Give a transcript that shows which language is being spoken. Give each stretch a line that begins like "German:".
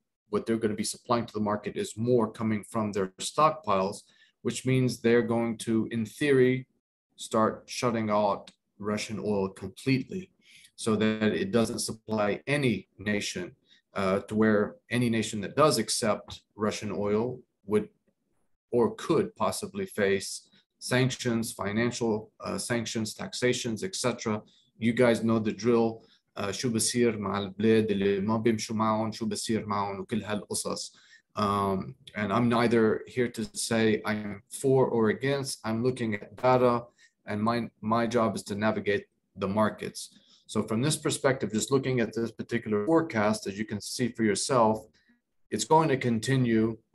English: what they're going to be supplying to the market is more coming from their stockpiles, which means they're going to, in theory, start shutting out Russian oil completely so that it doesn't supply any nation to where any nation that does accept Russian oil would or could possibly face sanctions, financial sanctions, taxations, etc. You guys know the drill.
Arabic: شو بصير مع البلاد اللي ما بيمشوا معهم, شو بصير معهم وكل هالقصص.
English: And I'm neither here to say I'm for or against. I'm looking at data, and my job is to navigate the markets. So from this perspective, just looking at this particular forecast, as you can see for yourself, it's going to continue.